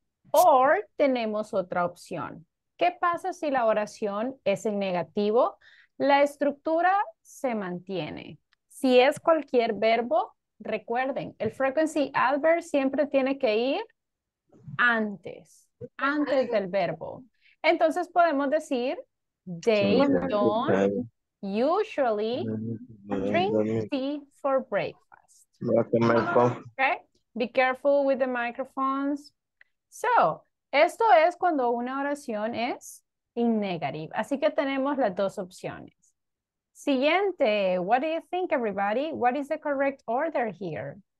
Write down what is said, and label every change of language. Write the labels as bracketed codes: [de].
[es] O tenemos otra opción. ¿Qué pasa si la oración es en negativo? La estructura se mantiene. Si es cualquier verbo, recuerden, el frequency adverb siempre tiene que ir antes del verbo. Entonces podemos decir, [en] they don't usually drink tea for breakfast. Okay? Be careful with the microphones. [es] So, esto es cuando una oración es [en] in negative. [es] Así que tenemos las dos opciones. Siguiente, [en] what do you think, everybody? What is the correct order here?